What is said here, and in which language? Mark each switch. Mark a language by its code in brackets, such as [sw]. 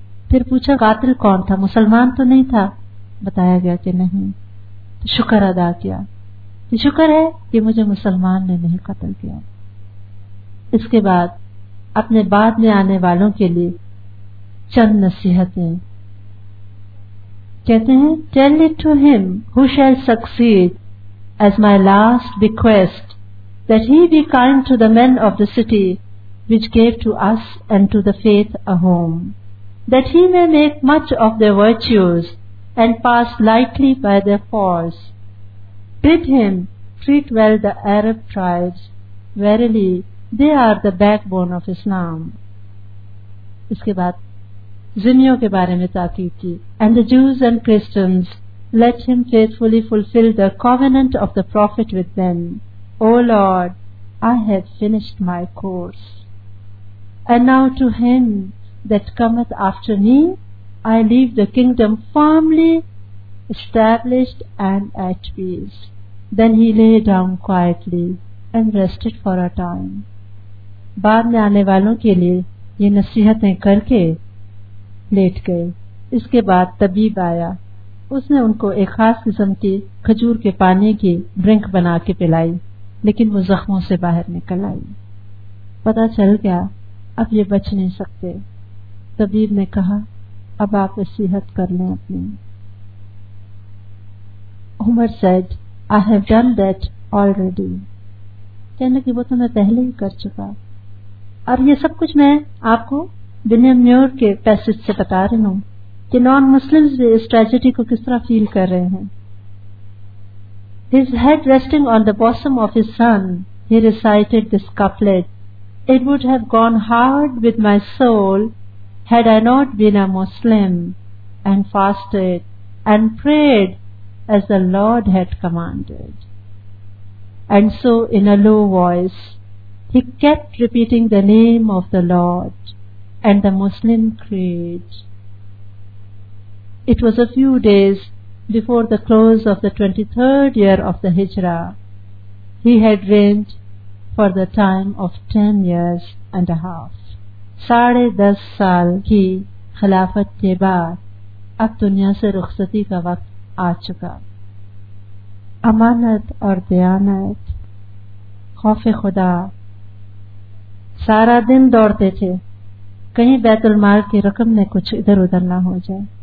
[ur] پھر پوچھا قاتل کون تھا, مسلمان تو نہیں تھا؟ بتایا گیا کہ نہیں. تو شکر ادا کیا کہ شکر ہے کہ مجھے مسلمان نے نہیں قتل کیا. اس کے بعد اپنے بعد میں آنے والوں کے لیے چند نصیحتیں. کہتے ہیں [en] Tell it to him who shall succeed as my last bequest that he be kind to the men of the city which gave to us and to the faith a home, that he may make much of their virtues and pass lightly by their faults. Bid him treat well the Arab tribes. Verily, they are the backbone of Islam. [ur] اس کے بعد زمیوں کے بارے میں تاکید کی. [en] And the Jews and Christians, let him faithfully fulfill the covenant of the Prophet with them. O Lord, I have finished my course. And now to him that cometh after me, I leave the kingdom firmly established and at peace. Then he lay down quietly and rested for a time. [ur] بعد میں آنے والوں کے لیے یہ نصیحتیں کر کے late گئے. اس کے بعد طبیب آیا, اس نے ان کو ایک خاص قسم کی کھجور کے پانی کی ڈرنک بنا کے پلائی, لیکن وہ زخموں سے باہر نکل آئی. پتہ چل گیا اب یہ بچ نہیں سکتے. طبیب نے کہا اب آپ نصیحت کر لیں اپنی. [en] Umar said I have done that already. [ur] کہنے کی وہ تو میں پہلے ہی کر چکا. اور یہ سب کچھ میں آپ کو ولیم میور کے پیسج سے بتا رہی ہوں کہ نان مسلمز بھی اس ٹریجڈی کو کس طرح فیل کر رہے ہیں. [en] His head resting on the bosom of his son, he recited this couplet. It would have gone hard with my soul had I not been a Muslim and fasted and prayed as the Lord had commanded. And so in a low voice, he kept repeating the name of the Lord and the Muslim creed. It was a few days before the close of the 23rd year of the Hijra. He had reigned for the time of 10 years and a half. [ur] 10.5 سال کی خلافت کے بعد اب دنیا سے رخصتی کا وقت آ چکا. امانت اور دیانت, خوف خدا, سارا دن دوڑتے تھے کہیں بیت المال کی رقم میں کچھ ادھر ادھر نہ ہو جائے.